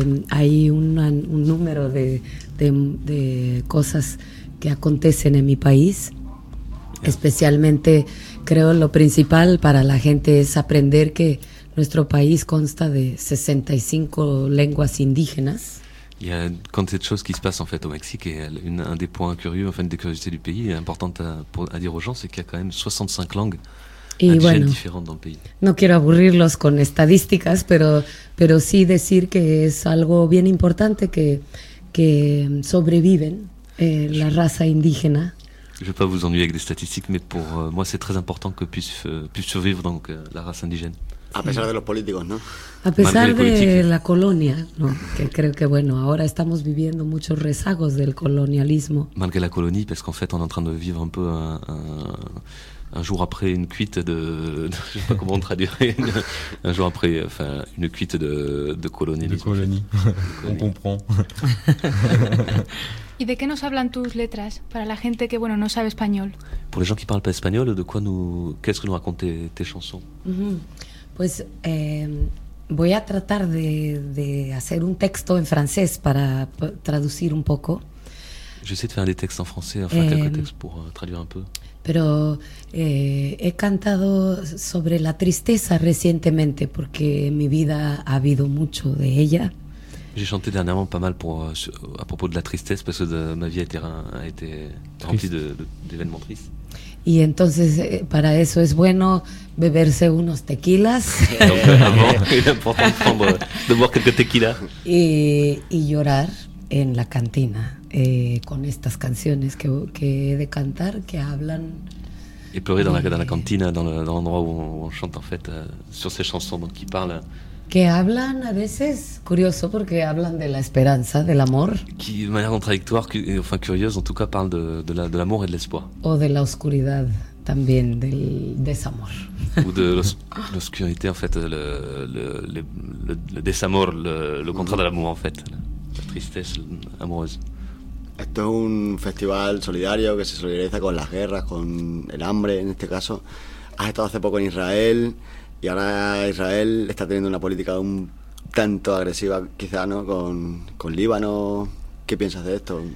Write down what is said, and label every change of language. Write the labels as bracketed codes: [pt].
[es] Hay un número de cosas que acontecen en mi país. [en] Yeah. [es] Especialmente, creo, lo principal para la gente es aprender que nuestro país consta de 65 lenguas indígenas. [fr] Il y a quantité de choses qui se passent en fait au Mexique, et un des points curieux, enfin des curiosités du pays, importante à dire aux gens, c'est qu'il y a quand même 65 langues indigènes [es] bueno, [fr] différentes dans le pays. [es] No quiero aburrirlos con estadísticas, pero sí decir que es algo bien importante que sobreviven la raza indígena. [fr] Je ne vais pas vous ennuyer avec des statistiques, mais pour moi c'est très important que puisse survivre donc la race indigène. [es] A pesar de los políticos, ¿no? A pesar de la colonia, ¿no? Que creo que bueno, ahora estamos viviendo muchos rezagos del colonialismo. [fr] Malgré la colonie, parce qu'en fait, on est en train de vivre un peu un jour après une cuite de, je sais pas comment traduire, un jour après, enfin, une cuite de colonialisme. De colonie. On comprend. [es] ¿Y de qué nos hablan tus letras para la gente que bueno no sabe español? [fr] Pour les gens qui parlent pas espagnol, de quoi nous, qu'est-ce que nous racontent tes chansons? [es] Pues voy a tratar de hacer un texto en francés para traducir un poco. [fr] Je vais essayer de faire des textes en français, enfin quelques textes pour traduire un peu. [es] Pero he cantado sobre la tristeza recientemente porque en mi vida ha habido mucho de ella. [fr] J'ai chanté dernièrement pas mal pour, à propos de la tristesse parce que ma vie a été remplie d'événements tristes. [es] Y entonces para eso es bueno beberse unos tequilas. [fr] Donc, avant, il est important de boire quelques tequilas. [es] Y llorar en la cantina con estas canciones que he de cantar, que hablan. [fr] Et pleurer dans la cantina, dans l'endroit où on chante en fait sur ces chansons donc, qui parlent. [es] Que hablan a veces, curioso, porque hablan de la esperanza, del amor. [fr] Qui, de manière contradictoire, enfin curieuse, en tout cas, parle de l'amour et de l'espoir. [es] O de la oscuridad, también, del desamor. [fr] Ou de l'obscurité, en fait, le desamor, le contraire de l'amour, en fait. La tristesse amoureuse. [es] Esto es un festival solidario que se solidariza con las guerras, con el hambre, en este caso. Has estado hace poco en Israel. Y ahora Israel está teniendo una política un tanto agresiva, quizá, ¿no? Con Líbano. ¿Qué piensas de esto?